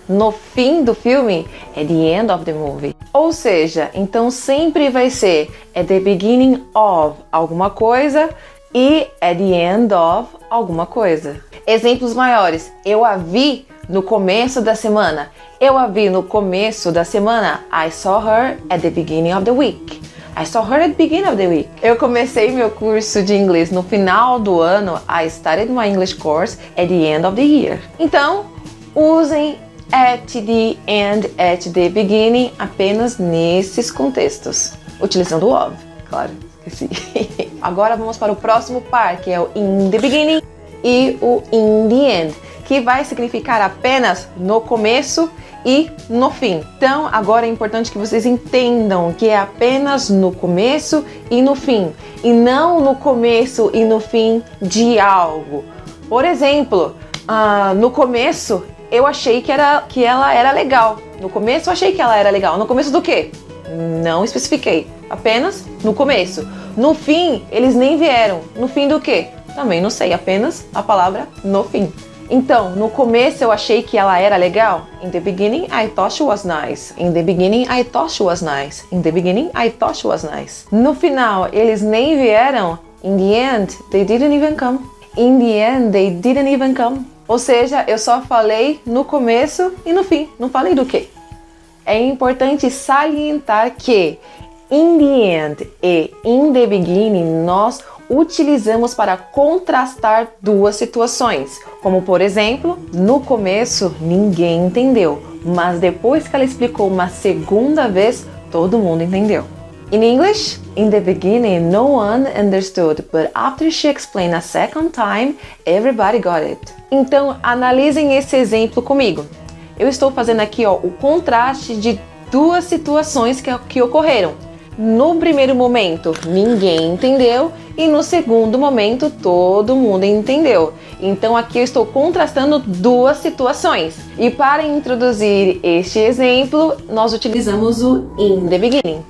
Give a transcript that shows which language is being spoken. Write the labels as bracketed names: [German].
[Portuguese] No fim do filme, [English] at the end of the movie. [Portuguese] Ou seja, então sempre vai ser at the beginning of alguma coisa e at the end of alguma coisa. Exemplos maiores. Eu a vi no começo da semana. Eu a vi no começo da semana. [English] I saw her at the beginning of the week. I saw her at the beginning of the week. [Portuguese] Eu comecei meu curso de inglês no final do ano. [English] I started my English course at the end of the year. [Portuguese] Então, usem at the end, at the beginning apenas nesses contextos. Utilizando o of, claro. Agora vamos para o próximo par, que é o in the beginning e o in the end, que vai significar apenas no começo e no fim. Então agora é importante que vocês entendam que é apenas no começo e no fim, e não no começo e no fim de algo. Por exemplo, no começo eu achei que ela era legal. No começo eu achei que ela era legal. No começo do quê? Não especifiquei. Apenas no começo. No fim, eles nem vieram. No fim do quê? Também não sei. Apenas a palavra no fim. Então, no começo eu achei que ela era legal. [English] In the beginning, I thought she was nice. In the beginning, I thought she was nice. In the beginning, I thought she was nice. [Portuguese] No final, eles nem vieram. [English] In the end, they didn't even come. In the end, they didn't even come. [Portuguese] Ou seja, eu só falei no começo e no fim. Não falei do quê? É importante salientar que in the end e in the beginning nós utilizamos para contrastar duas situações. Como por exemplo, no começo ninguém entendeu, mas depois que ela explicou uma segunda vez, todo mundo entendeu. [English] In English, in the beginning no one understood, but after she explained a second time, everybody got it. [Portuguese] Então analisem esse exemplo comigo. Eu estou fazendo aqui, ó, o contraste de duas situações que ocorreram. No primeiro momento, ninguém entendeu. E no segundo momento, todo mundo entendeu. Então aqui eu estou contrastando duas situações. E para introduzir este exemplo, nós utilizamos o in the beginning.